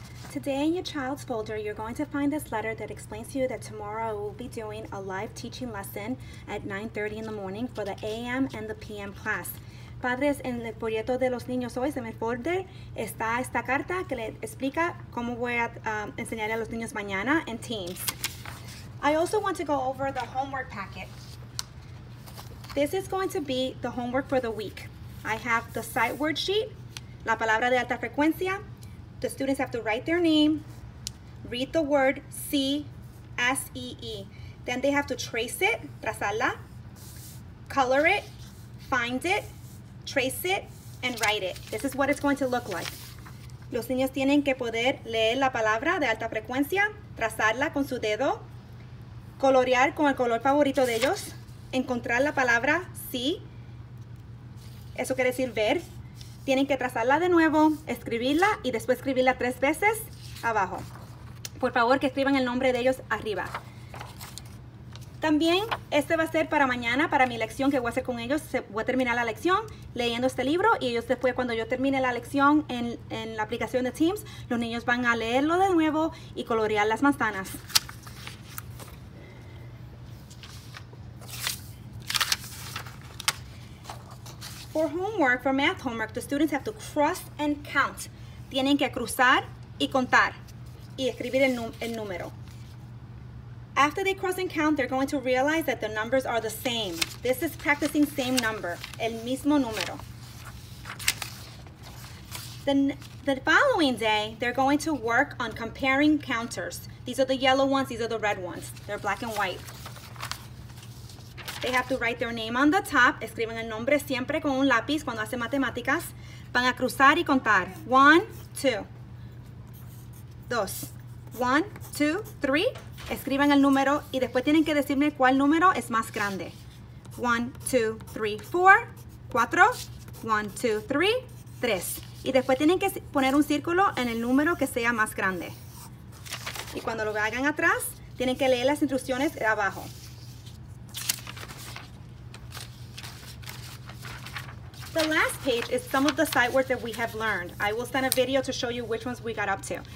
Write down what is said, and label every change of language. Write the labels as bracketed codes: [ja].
[en] Today in your child's folder, you're going to find this letter that explains to you that tomorrow we'll be doing a live teaching lesson at 9:30 in the morning for the AM and the PM class. [es] Padres, en el folleto de los niños hoy, en el folder, está esta carta que le explica cómo voy a enseñar a los niños mañana en Teams. [en] I also want to go over the homework packet. This is going to be the homework for the week. I have the sight word sheet, [es] la palabra de alta frecuencia. [en] The students have to write their name, read the word C-S-E-E. Then they have to trace it, trazarla, color it, find it, trace it, and write it. This is what it's going to look like. [es] Los niños tienen que poder leer la palabra de alta frecuencia, trazarla con su dedo, colorear con el color favorito de ellos, encontrar la palabra C, eso quiere decir ver. Tienen que trazarla de nuevo, escribirla y después escribirla tres veces abajo. Por favor, que escriban el nombre de ellos arriba. También, este va a ser para mañana, para mi lección que voy a hacer con ellos. Voy a terminar la lección leyendo este libro y ellos después, cuando yo termine la lección en la aplicación de Teams, los niños van a leerlo de nuevo y colorear las manzanas. [en] For homework, for math homework, the students have to cross and count. [es] Tienen que cruzar y contar y escribir el número. [en] After they cross and count, they're going to realize that the numbers are the same. This is practicing same number, [es] el mismo número. [en] The following day, they're going to work on comparing counters. These are the yellow ones, these are the red ones. They're black and white. They have to write their name on the top. [es] Escriben el nombre siempre con un lápiz cuando hacen matemáticas. Van a cruzar y contar. [en] One, two. [es] Dos. [en] One, two, three. [es] Escriban el número y después tienen que decirme cuál número es más grande. [en] One, two, three, four. Cuatro. One, two, three, tres. [es] Y después tienen que poner un círculo en el número que sea más grande. Y cuando lo hagan atrás, tienen que leer las instrucciones de abajo. [en] The last page is some of the sight words that we have learned. I will send a video to show you which ones we got up to.